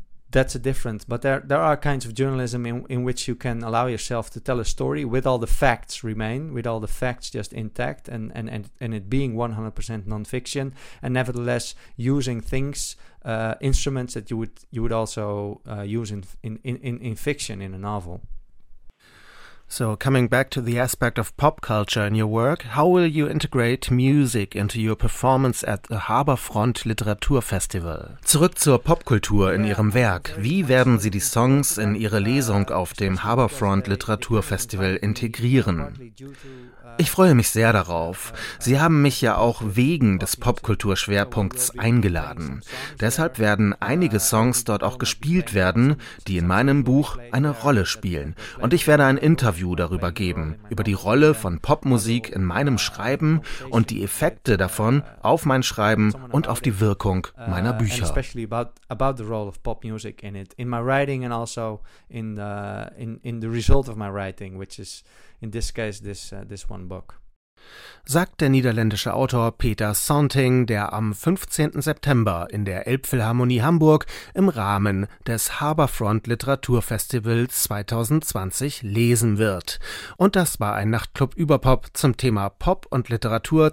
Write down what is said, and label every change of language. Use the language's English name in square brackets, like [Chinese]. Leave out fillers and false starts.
[English] That's a different, but there are kinds of journalism in which you can allow yourself to tell a story with all the facts remain, with all the facts just intact, and it being 100% nonfiction, and nevertheless using things, instruments that you would also use in fiction, in a novel. So coming back to the aspect of pop culture in your work, how will you integrate music into your performance at the Haberfront Literaturfestival? [German] Zurück zur Popkultur in Ihrem Werk. Wie werden Sie die Songs in Ihre Lesung auf dem Haberfront Literaturfestival integrieren? Ich freue mich sehr darauf. Sie haben mich ja auch wegen des Popkulturschwerpunkts eingeladen. Deshalb werden einige Songs dort auch gespielt werden, die in meinem Buch eine Rolle spielen. Und ich werde ein Interview darüber geben, über die Rolle von Popmusik in meinem Schreiben und die Effekte davon auf mein Schreiben und auf die Wirkung meiner Bücher. [English] Especially about the role of pop music in it, in my writing and also in the result of my writing, which is in this case, this one book. [German] Sagt der niederländische Autor Peter Santing, der am 15. September in der Elbphilharmonie Hamburg im Rahmen des Haberfront Literaturfestivals 2020 lesen wird. Und das war ein Nachtclub über Pop zum Thema Pop und Literatur.